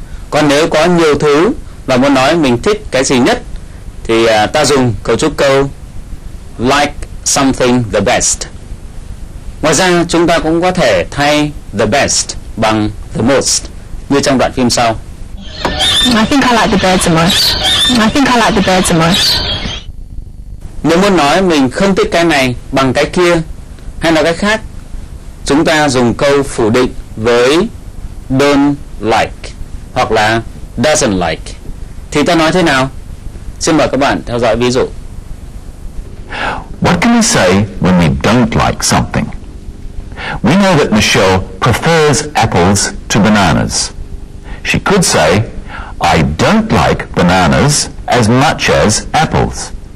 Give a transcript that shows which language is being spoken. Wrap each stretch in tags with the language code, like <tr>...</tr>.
<vi>Còn nếu có nhiều thứ và muốn nói mình thích cái gì nhất, thì ta dùng cấu trúc câu</vi> <en>like something the best.</en> <vi>Ngoài ra, chúng ta cũng có thể thay the best bằng the most như trong đoạn phim sau.</vi> <en>I think I like the birds the most. I think I like the birds the most.</en> <vi>Nếu muốn nói mình không thích cái này bằng cái kia, hay nói cách khác, chúng ta dùng câu phủ định với don't like hoặc là doesn't like. Thì ta nói thế nào? Xin mời các bạn theo dõi ví dụ.</vi> <en>What can we say when we don't like something? We know that Michelle prefers apples to bananas. She could say, I don't like bananas as much as apples.</en>